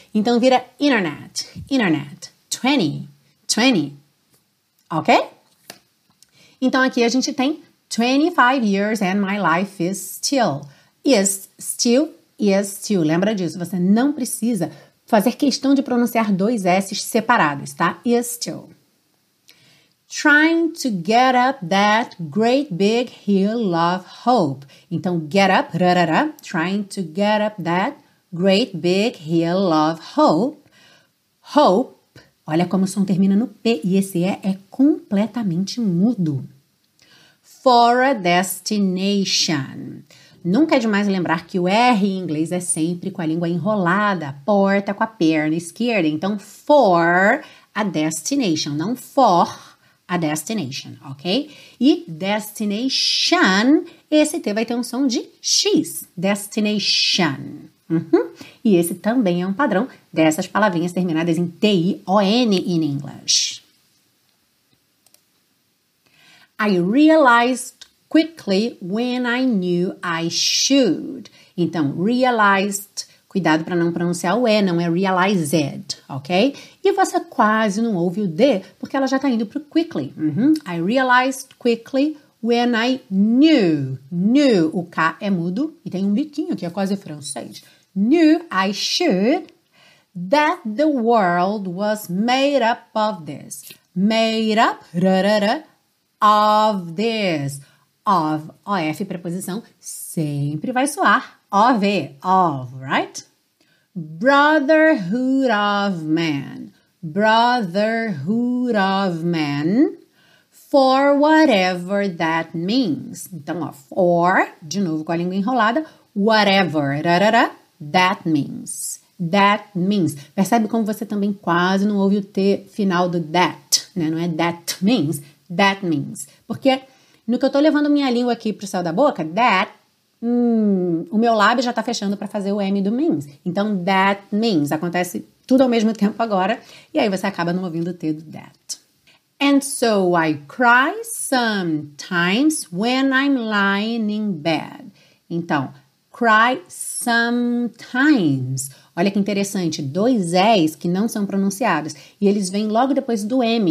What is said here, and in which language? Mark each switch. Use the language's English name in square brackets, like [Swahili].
[Portuguese] Então, vira internet, internet, 20, 20, ok? [English] Então, aqui a gente tem 25 years and my life is still, yes, still. [Portuguese] Lembra disso, você não precisa fazer questão de pronunciar dois S's separados, tá? [English] Yes, still. Trying to get up that great big hill of hope. Então, get up, rarara, trying to get up that great big hill of hope. [Portuguese] Hope, olha como o som termina no P e esse é completamente mudo. [English] For a destination. [Portuguese] Nunca é demais lembrar que o R em inglês é sempre com a língua enrolada, porta com a perna esquerda. Então, [English] for a destination, [Portuguese] não for a destination, ok? E destination, esse T vai ter um som de X, destination. Uhum. E esse também é um padrão dessas palavrinhas terminadas em T-I-O-N [English] in English. I realized quickly when I knew I should. [Portuguese] Então, realized, cuidado para não pronunciar o E, não é realized, ok? E você quase não ouve o D, porque ela já está indo para o quickly. Uhum. [English] I realized quickly when I knew. [Portuguese] Knew, o K é mudo e tem um biquinho que é quase francês. [English] Knew I should that the world was made up of this. Made up, rarara, of this. [Portuguese] Of, O-F, preposição, sempre vai soar. [English] O-V, of, right? Brotherhood of man. Brotherhood of man. For whatever that means. [Portuguese] Então, ó, for, de novo com a língua enrolada. [English] Whatever, rarara, that means. That means. [Portuguese] Percebe como você também quase não ouve o T final do that, né? Não é [English] that means. That means. [Portuguese] Porque... No que eu tô levando minha língua aqui pro céu da boca, that, o meu lábio já tá fechando para fazer o M do means. Então, [English] that means. [Portuguese] Acontece tudo ao mesmo tempo agora. E aí você acaba não ouvindo o T do that. [English] And so I cry sometimes when I'm lying in bed. [Portuguese] Então, [English] cry sometimes. [Portuguese] Olha que interessante. Dois S que não são pronunciados. E eles vêm logo depois do M.